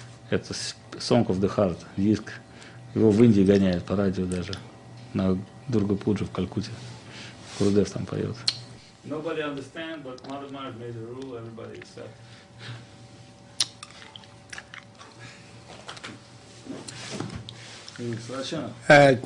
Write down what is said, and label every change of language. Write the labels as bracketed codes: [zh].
[ru] Это Song of the Heart, диск. Его в Индии гоняют по радио даже. На Дургапуджу в Калькутте. Курдев там поет. [en] Nobody understands, but Madhav Maharaj made a rule, everybody accept.